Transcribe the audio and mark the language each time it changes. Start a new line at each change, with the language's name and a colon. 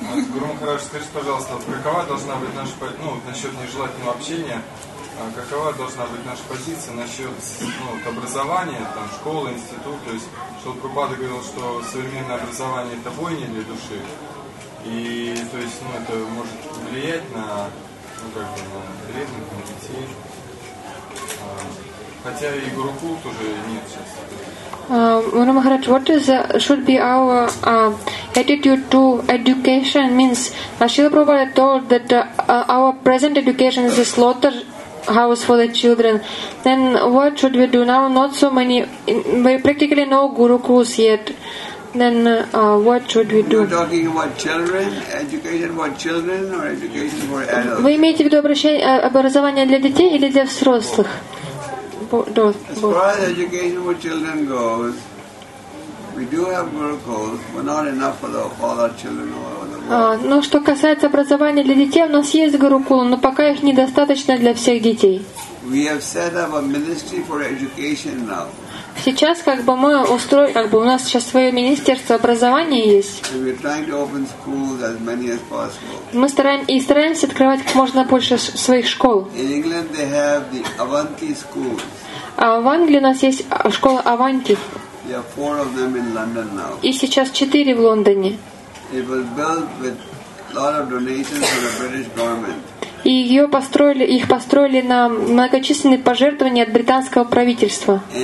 Russian: Гуру Махарадж, скажите, пожалуйста, какова должна быть наша, ну, насчет нежелательного общения, какова должна быть наша позиция насчет, ну, вот образования, там, школы, институт, то есть, что Прабхупада говорил, что современное образование — это бойня для души, и, то есть, ну, это может влиять на, ну, как бы, на бедных, на детей, хотя и гурукул тоже нет сейчас.
English: Guru Maharaj, what is should be our attitude to education? Means, Srila Prabhupada told that our present education is a slaughterhouse for the children. Then what should we do now? Not so many, we practically no gurukuls yet. Then what should we do? You're talking about children, education for children or education for adults?
Russian: Вы имеете в виду образование для детей или для взрослых?
English: As far as education for children goes, we do have gurukuls, but not enough for all our children all over the world.
Russian: Но что касается образования для детей, у нас есть гурукулы, но пока их недостаточно для всех детей.
English: We have set up a ministry for education now.
Russian: Сейчас как бы мы устроили, как бы у нас сейчас свое министерство образования есть.
English: We're trying to open schools as many as possible.
Russian: Мы стараемся открывать как можно больше своих школ.
English: In England they have the Avanti schools.
Russian: А в Англии у нас есть школа Avanti.
English: There are 4 of them in London now.
Russian: И сейчас 4 в Лондоне.
English: It was built with a lot of donations from the British government.
Russian: И их построили на многочисленные пожертвования от британского правительства.